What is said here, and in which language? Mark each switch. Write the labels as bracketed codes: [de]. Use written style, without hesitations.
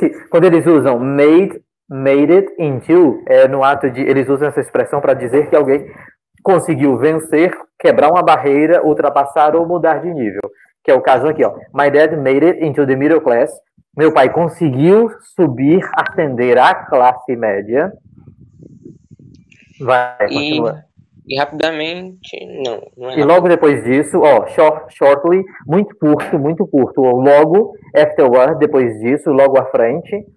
[pt] Quando eles usam [en] made it into, [pt] no ato de... Eles usam essa expressão para dizer que alguém conseguiu vencer, quebrar uma barreira, ultrapassar ou mudar de nível. Que é o caso aqui, ó. [en] My dad made it into the middle class. [pt] Meu pai conseguiu subir, ascender à classe média. Continua. E rapidamente, não. E rápido. Logo depois disso, ó, shortly, muito curto. Ou logo, afterward, depois disso, logo à frente.